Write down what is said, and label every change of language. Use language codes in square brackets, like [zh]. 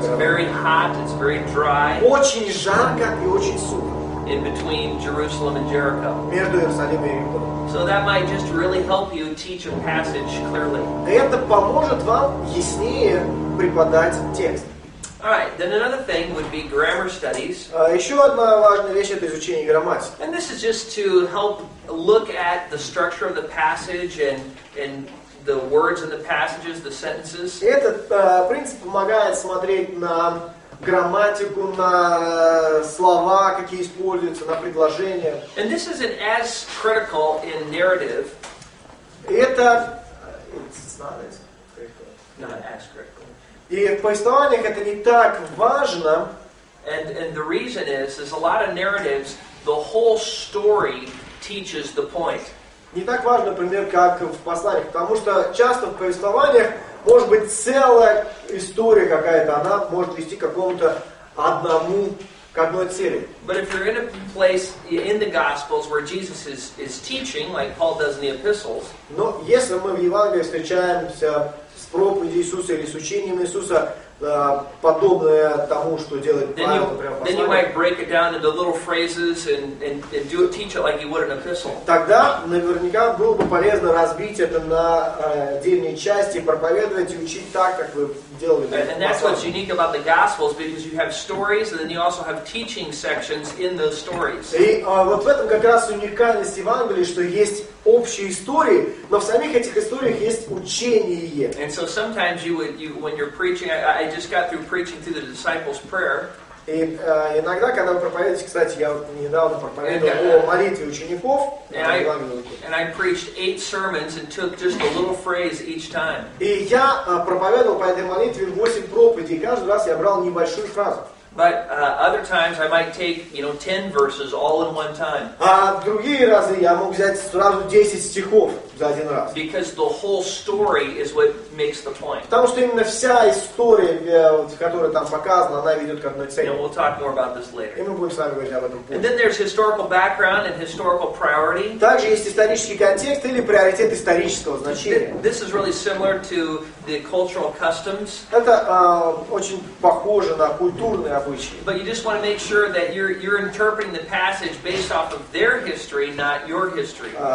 [en] It's very hot, it's very dry. [ru] Очень жарко и очень сухо. [en] In between Jerusalem and Jericho. [ru] Между Иерусалимом и Иерихоном. [en] So that might just really help you teach a passage clearly. [ru] Это поможет вам яснее преподать текст. [en] All right, then another thing would be grammar studies. [ru] Еще одна важная вещь — это изучение грамматики. [en] And this is just to help look at the structure of the passage and the words in the passages, the sentences. [ru] Этот принцип помогает смотреть на грамматику, на слова, какие используются, на предложения. [en] And this isn't as critical in narrative. Это... It's not as critical. Not as critical. [ru] И в повествованиях это не так важно. [en] And the reason is a lot of narratives, the whole story teaches the point. [ru] Не так важно, например, как в посланиях. Потому что часто в повествованиях может быть целая история какая-то, она может вести к какому-то одному, к одной цели. [en] But if you're in a place in the Gospels where Jesus is teaching, like Paul does in the Epistles. [ru] Но если мы в Евангелии встречаемся с проповедью Иисуса или с учением Иисуса, подобное тому, что делает Павел, [en] then you, [ru] например, послание. [en] Then you might break it down into little phrases and do teach it like you would an epistle. [ru] Тогда наверняка было бы полезно разбить это на отдельные части, проповедовать и учить так, как вы делали. [en] And that's what's unique about the Gospels, because you have stories and then you also have teaching sections in those stories. [ru] И вот в этом как раз уникальность Евангелия, что есть общие истории, но в самих этих историях есть учение. [en] And so sometimes when you're preaching, I just got through preaching through the disciples' prayer. [ru] И иногда, когда вы проповедуете, кстати, я недавно проповедовал о молитве учеников. [en] And I preached 8 sermons and took just a little phrase each time. [ru] И я проповедовал по этой молитве 8 проповедей, и каждый раз я брал небольшую фразу. [en] But other times I might take, you know, 10 verses all in one time. [ru] А другие разы я мог взять сразу 10 стихов за один раз. [en] Because the whole story is what makes the point. [ru] Потому что именно вся история, которая там показана, она ведет к одной цели. [en] And we'll talk more about this later. [ru] И мы будем с вами говорить об этом позже. [en] And then there's historical background and historical priority. [ru] Также есть исторический контекст или приоритет исторического значения. [en] This is really similar to the cultural customs. [ru] Это очень похоже на культурные. [en] But you just want to make sure that you're interpreting the passage based off of their history, not your history.